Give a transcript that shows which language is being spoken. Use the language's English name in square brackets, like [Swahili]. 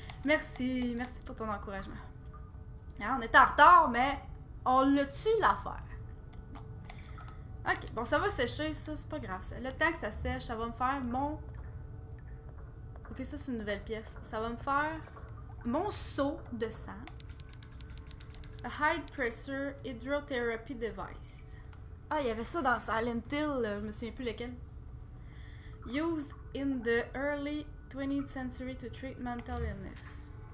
[French] Merci, merci pour ton encouragement. Alors, on est en retard, mais on l'a tué l'affaire. Ok, bon, ça va sécher, ça, c'est pas grave. Le temps que ça sèche, ça va me faire mon... Ok, ça, c'est une nouvelle pièce. Ça va me faire... Mon seau de sang. [English] A high pressure hydrotherapy device. [French] Ah, il y avait ça dans Silent Hill, je me souviens plus lequel. [English] Used in the early 20th century to treat mental illness.